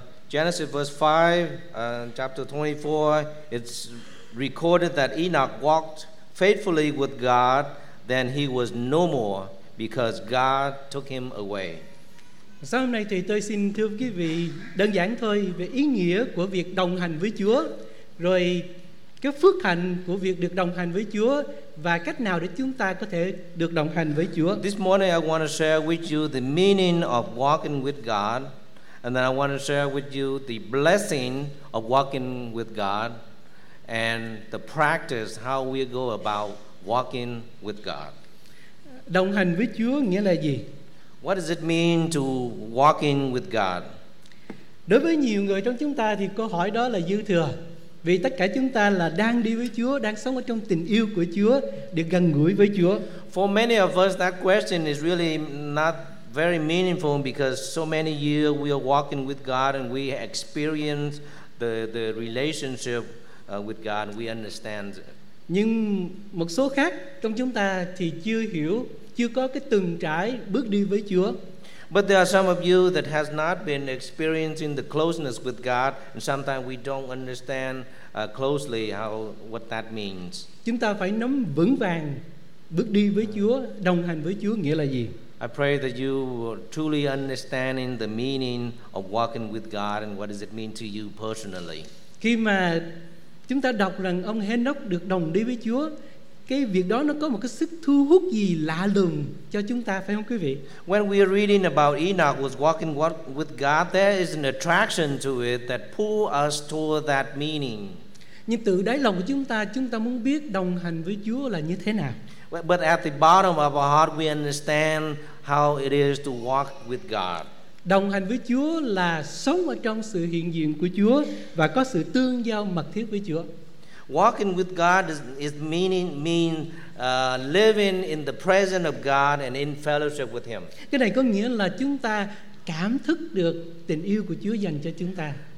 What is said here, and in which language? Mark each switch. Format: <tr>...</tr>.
<en>Genesis verse 5, chapter 24, it's recorded that Enoch walked faithfully with God, then he was no more because God took him away.</en> <vi>Sáng hôm nay thì tôi xin thưa quý vị đơn giản thôi về ý nghĩa của việc đồng hành với Chúa, rồi cái phước hạnh của việc được đồng hành với Chúa và cách nào để chúng ta có thể được đồng hành với Chúa.</vi> <en>This morning I want to share with you the meaning of walking with God, and then I want to share with you the blessing of walking with God and the practice how we go about walking with God.</en> <vi>Đồng hành với Chúa nghĩa là gì?</vi> <en>What does it mean to walk in with God?</en> <vi>Đối với nhiều người trong chúng ta thì câu hỏi đó là dư thừa, vì tất cả chúng ta là đang đi với Chúa, đang sống ở trong tình yêu của Chúa, được gần gũi với Chúa.</vi> <en>For many of us, that question is really not very meaningful because so many years we are walking with God and we experience the relationship with God. We understand.</en> <vi>Nhưng một số khác trong chúng ta thì chưa hiểu, chưa có cái từng trải bước đi với Chúa.</vi> <en>But there are some of you that has not been experiencing the closeness with God, and sometimes we don't understand closely how what that means.</en> <vi>Chúng ta phải nắm vững vàng bước đi với Chúa, đồng hành với Chúa nghĩa là gì?</vi> <en>I pray that you truly understanding the meaning of walking with God and what does it mean to you personally.</en> <vi>Khi mà chúng ta đọc rằng ông Henoch được đồng đi với Chúa, cái việc đó nó có một cái sức thu hút gì lạ lùng cho chúng ta, phải không quý vị?</vi> <en>When we are reading about Enoch was walking with God, there is an attraction to it that pull us toward that meaning.</en> <vi>Nhưng từ đáy lòng của chúng ta muốn biết đồng hành với Chúa là như thế nào.</vi> <en>But at the bottom of our heart, we understand how it is to walk with God.</en> <vi>Đồng hành với Chúa là sống ở trong sự hiện diện của Chúa và có sự tương giao mật thiết với Chúa.</vi> <en>Walking with God is means living in the presence of God and in fellowship with Him.</en> <vi>Cái này có nghĩa là chúng ta cảm thức được tình yêu của Chúa dành cho chúng ta.</vi>